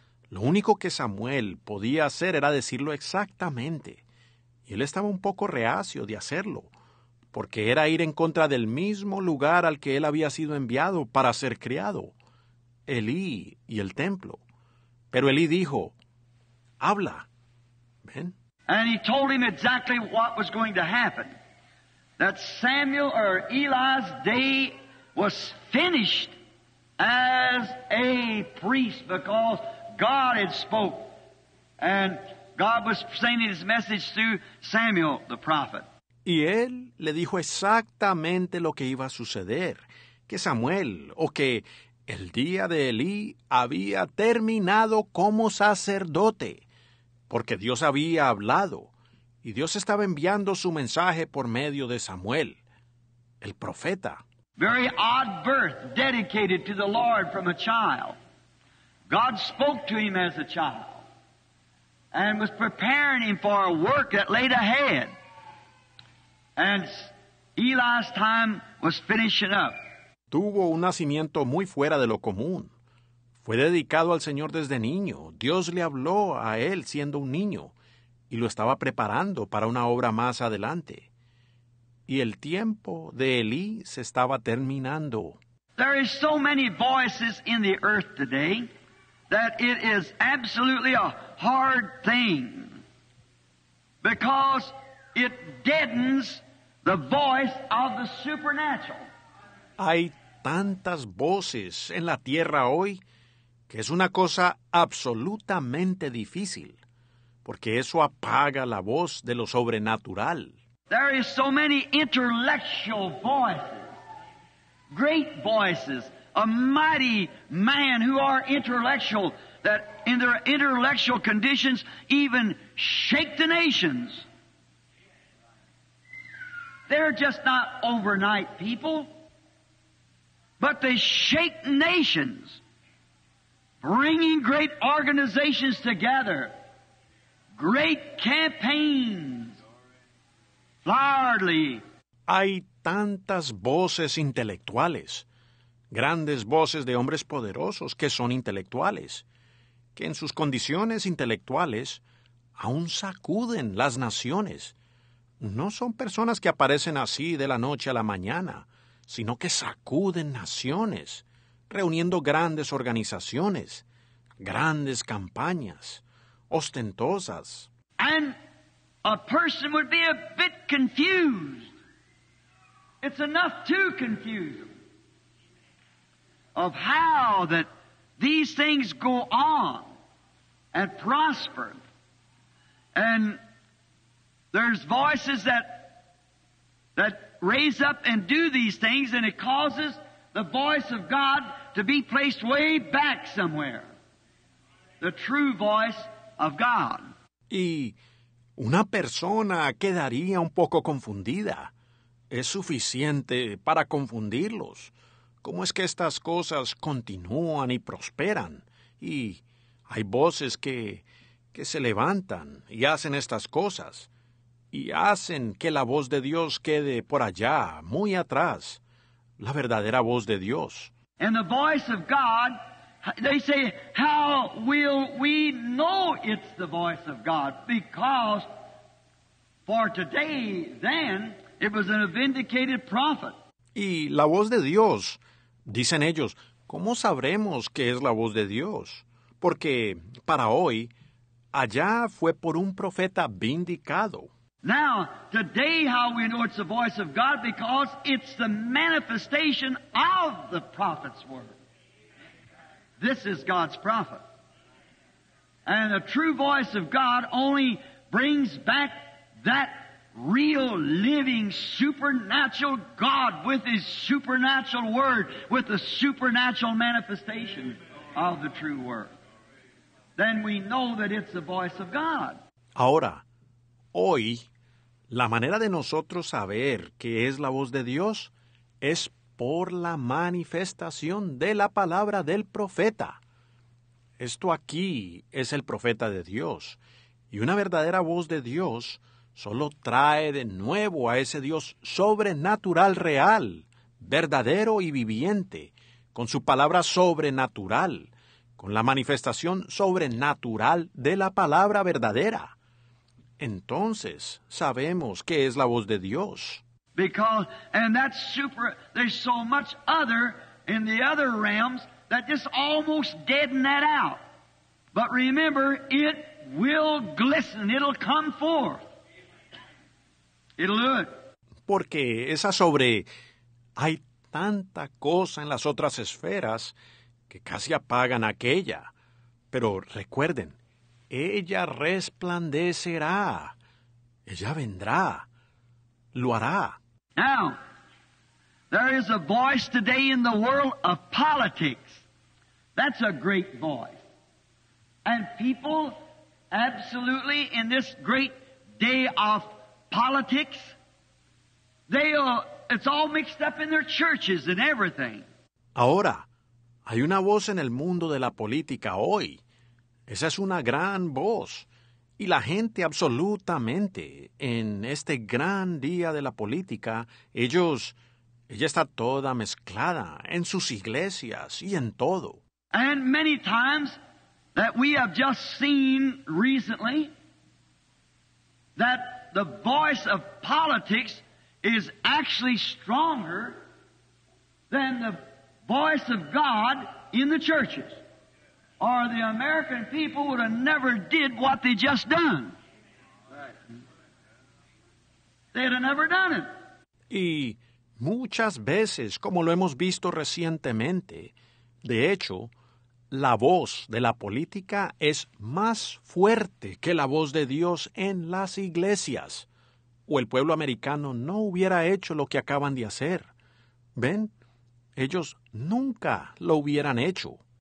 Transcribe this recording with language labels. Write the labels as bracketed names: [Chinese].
[Spanish] Lo único que Samuel podía hacer era decirlo exactamente, y él estaba un poco reacio de hacerlo, porque era ir en contra del mismo lugar al que él había sido enviado para ser criado, Elí y el templo. Pero Elí dijo, habla, ven. [English] And he told him exactly what was going to happen, that Samuel or Eli's day was finished as a priest, because God had spoke, and God was sending his message through Samuel, the prophet. [Spanish] Y él le dijo exactamente lo que iba a suceder, que Samuel, o que el día de Elí había terminado como sacerdote, porque Dios había hablado, y Dios estaba enviando su mensaje por medio de Samuel, el profeta. [English] Very odd birth dedicated to the Lord from a child. God spoke to him as a child and was preparing him for a work that laid ahead. And Eli's time was finishing up. [Spanish] Tuvo un nacimiento muy fuera de lo común. Fue dedicado al Señor desde niño. Dios le habló a él siendo un niño y lo estaba preparando para una obra más adelante. Y el tiempo de Elí se estaba terminando. [English] There is so many voices in the earth today that it is absolutely a hard thing, because it deadens the voice of the supernatural. [Spanish] Hay tantas voces en la tierra hoy que es una cosa absolutamente difícil, porque eso apaga la voz de lo sobrenatural. [English] There is so many intellectual voices, great voices, a mighty man who are intellectual, that in their intellectual conditions even shake the nations. They're just not overnight people, but they shake nations, bringing great organizations together, great campaigns, largely. [Spanish] Hay tantas voces intelectuales, grandes voces de hombres poderosos que son intelectuales, que en sus condiciones intelectuales aún sacuden las naciones. No son personas que aparecen así de la noche a la mañana, sino que sacuden naciones, reuniendo grandes organizaciones, grandes campañas, ostentosas. [English] And a person would be a bit confused. It's enough to confuse them of how that these things go on and prosper. And there's voices that raise up and do these things, and it causes the voice of God to be placed way back somewhere. The true voice of God. [Spanish] Y una persona quedaría un poco confundida. Es suficiente para confundirlos. ¿Cómo es que estas cosas continúan y prosperan? Y hay voces que se levantan y hacen estas cosas. Y hacen que la voz de Dios quede por allá, muy atrás, la verdadera voz de Dios. [English] And the voice of God, they say, how will we know it's the voice of God? Because for today, then, it was a vindicated prophet. [Spanish] Y la voz de Dios, dicen ellos, ¿cómo sabremos que es la voz de Dios? Porque para hoy, allá fue por un profeta vindicado. [English] Now, today how we know it's the voice of God, because it's the manifestation of the prophet's word. This is God's prophet. And the true voice of God only brings back that real, living, supernatural God with His supernatural word, with the supernatural manifestation of the true word. Then we know that it's the voice of God. [Spanish] Ahora, hoy, la manera de nosotros saber que es la voz de Dios es por la manifestación de la palabra del profeta. Esto aquí es el profeta de Dios. Y una verdadera voz de Dios solo trae de nuevo a ese Dios sobrenatural real, verdadero y viviente, con su palabra sobrenatural, con la manifestación sobrenatural de la palabra verdadera. Entonces, sabemos que es la voz de Dios. [English] Because, and that's super, there's so much other in the other realms that just almost deaden that out. But remember, it will glisten, it'll come forth. It'll do it. [Spanish] Porque esa sobre, hay tanta cosa en las otras esferas que casi apagan aquella. Pero recuerden, ella resplandecerá. Ella vendrá. Lo hará. [English] Now, there is a voice today in the world of politics. That's a great voice. And people, absolutely, in this great day of politics, it's all mixed up in their churches and everything. [Spanish] Ahora, hay una voz en el mundo de la política hoy. Esa es una gran voz, y la gente absolutamente, en este gran día de la política, ella está toda mezclada en sus iglesias y en todo. [English] And many times that we have just seen recently that the voice of politics is actually stronger than the voice of God in the churches. Or the American people would have never did what they just done. They'd have never done it. [Spanish] Y muchas veces, como lo hemos visto recientemente, de hecho, la voz de la política es más fuerte que la voz de Dios en las iglesias. O el pueblo americano no hubiera hecho lo que acaban de hacer. ¿Ven? Ellos nunca lo hubieran hecho.